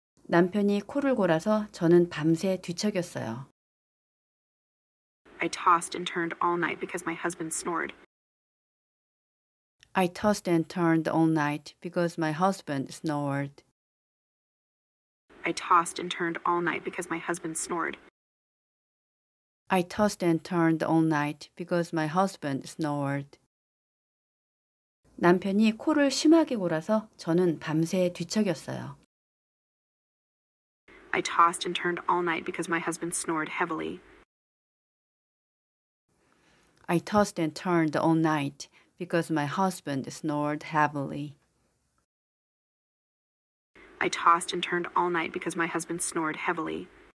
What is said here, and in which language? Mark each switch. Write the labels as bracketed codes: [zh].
[ko] 남편이 코를 골아서 저는 밤새 뒤척였어요. [en] I tossed and turned all night because my husband snored. I tossed and turned all night because my husband snored. I tossed and turned all night because my husband snored. I tossed and turned all night because my husband snored. [ko] 남편이 코를 심하게 골아서 저는 밤새 뒤척였어요. [en] I tossed and turned all night because my husband snored heavily. I tossed and turned all night because my husband snored heavily. I tossed and turned all night because my husband snored heavily.